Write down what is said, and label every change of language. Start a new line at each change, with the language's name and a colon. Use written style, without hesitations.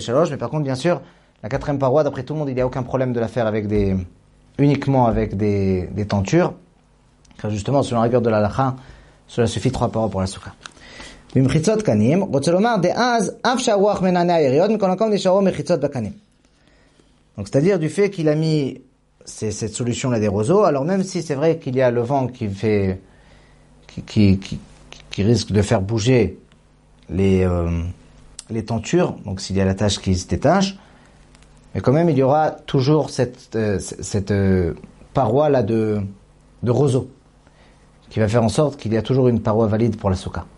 French: Mais par contre, bien sûr, la quatrième paroi, d'après tout le monde, il n'y a aucun problème de la faire uniquement avec des tentures. Car justement, selon la rigueur de la halakha, cela suffit 3 paroi pour la soukha.
Hebrew: ממחיצות קנים, רוצה לומר, דאז, אף שהרוח מנענה העיריות, מכל מקום נשארו מחיצות בקנים.
French: Donc, c'est-à-dire du fait qu'il a mis cette solution-là des roseaux, alors même si c'est vrai qu'il y a le vent qui risque de faire bouger les tentures, donc s'il y a la tâche qui se détache, mais quand même, il y aura toujours cette paroi-là de roseaux, qui va faire en sorte qu'il y a toujours une paroi valide pour la soukha.